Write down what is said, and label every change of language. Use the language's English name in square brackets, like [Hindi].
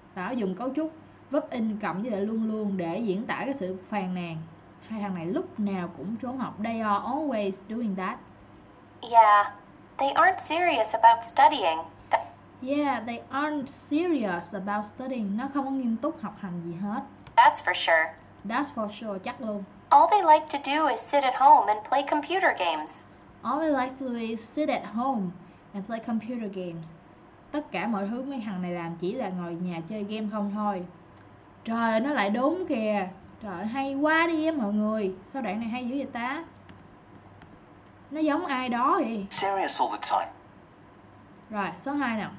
[Vietnamese] Đó, dùng cấu trúc verb in cộng với lại luôn luôn để diễn tả cái sự phàn nàn. Hai thằng này lúc nào cũng trốn học. [English] They are always doing that. Yeah, they aren't serious about studying. Yeah, they aren't serious about studying. [Vietnamese] Nó không có nghiêm túc học hành gì hết. [English] That's for sure. That's for sure, [Vietnamese] chắc luôn. [English] All they like to do is sit at home and play computer games. All they like to do is sit at home and play computer games. [Vietnamese] Tất cả mọi thứ mấy thằng này làm chỉ là ngồi nhà chơi game không thôi. Trời ơi, nó lại đúng kìa. Trời ơi, hay quá đi á mọi người. Sao đoạn này hay dữ vậy ta? Nó giống ai đó vậy? [English] Serious all the time. [Vietnamese] Rồi, số 2 nào.